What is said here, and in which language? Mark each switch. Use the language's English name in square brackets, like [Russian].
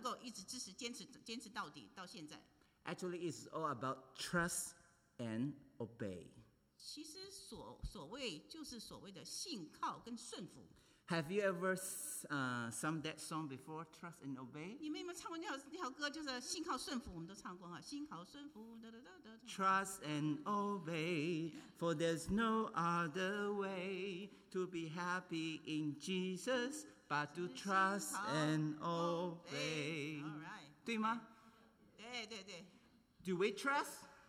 [Chinese] 就是因为耶稣在升天之前所讲的那个大的使命，给门徒所讲的那个最后的使命是让我能够一直支持坚持到底到现在。 [English] Actually, it's all about trust and obey. [Chinese] 其实所谓就是所谓的信靠跟顺服。 [English] Have you ever sung that song before, trust and obey? [Chinese] 你们有没有唱过那条歌，就是信靠顺服，我们都唱过，信靠顺服。 [English] Trust and obey, for there's no other way to be happy in Jesus but to trust and obey. Alright. [Chinese] 对吗? 对对对。 [English] Do we trust?